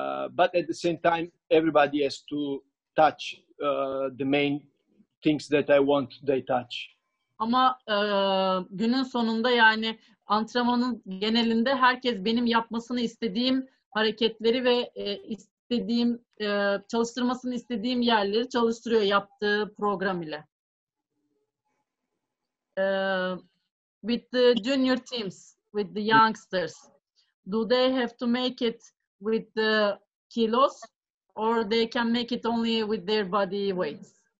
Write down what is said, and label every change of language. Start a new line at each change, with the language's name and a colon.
English: But at the same time, everybody has to touch the main things that I want they touch.
Turkish: Ama günün sonunda yani antrenmanın genelinde herkes benim yapmasını istediğim hareketleri ve istediğim çalıştırmasını istediğim yerleri çalıştırıyor yaptığı program ile.
English: With the junior teams, with the youngsters, do they have to make it with the kilos or they can make it only with their body weights?